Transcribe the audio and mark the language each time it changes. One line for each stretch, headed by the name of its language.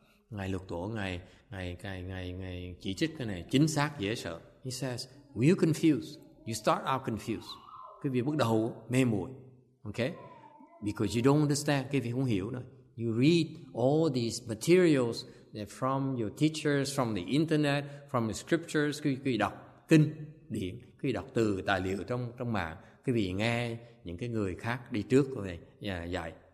Vietnamese: Ngài Lục Tổ ngài chỉ trích cái này chính xác dễ sợ.
English: He says, "When you're confused, you start out confused."
Vietnamese: Cái việc bắt đầu mê muội, okay?
English: Because you don't understand,
Vietnamese: cái việc không hiểu nữa.
English: You read all these materials from your teachers, from the internet, from the scriptures.
Vietnamese: Quý đọc kinh điển, quý đọc từ tài liệu trong mạng. Quý vị nghe những cái người khác đi trước của mình dạy.